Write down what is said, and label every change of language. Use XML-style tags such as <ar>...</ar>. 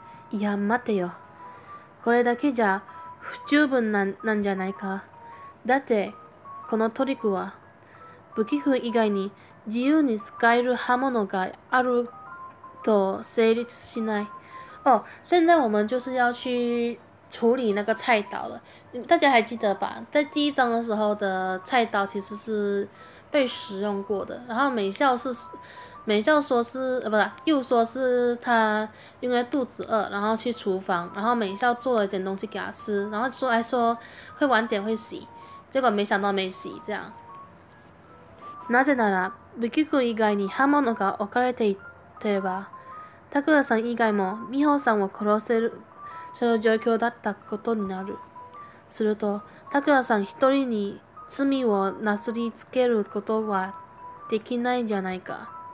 <ja>いや待てよ、これだけじゃ不十分なんじゃないか。だってこのトリックは武器庫以外に自由に使える刃物があると成立しない。</ja> <zh>哦，现在我们就是要去处理那个菜刀了，大家还记得吧？在第一章的时候的菜刀其实是被使用过的，然后美校说是他因为肚子饿，然后去厨房，然后美校做了一点东西给他吃，然后说会晚点会洗，结果没想到没洗这样。</zh> <ja>なぜなら武器庫以外に刃物が置かれていれば、拓也さん以外も美穂さんを殺せる。その状況だったことになる。すると、拓也さん一人に罪をなすりつけることはできないんじゃないか。</ja>